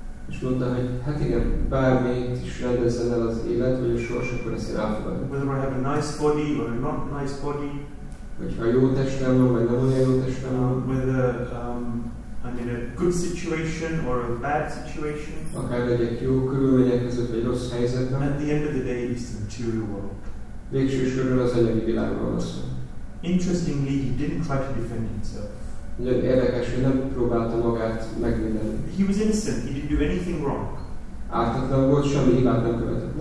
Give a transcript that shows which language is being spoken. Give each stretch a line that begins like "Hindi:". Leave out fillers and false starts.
Hungarian: És mondta, hogy hát igen, bármit is rendezzen el az élet, vagy a sors, akkor ezt én elfogadom.
English: Whether I have a nice body or a not nice body.
Hungarian: Hogyha jó testem van, vagy nem olyan jó testem van.
English: Whether in a good situation or a bad situation.
Hungarian: Akár legyek jó körülmények között vagy rossz helyzetben.
English: At the end of the day, it is the material world.
Hungarian: Végső soron az anyagi világról van szó.
English: Interestingly, he didn't try to defend himself.
Hungarian: Nagyon érdekes, hogy nem próbálta magát megvédeni.
English: He was innocent. He didn't do anything wrong.
Hungarian: Ártatlan volt, semmi hibát nem követett.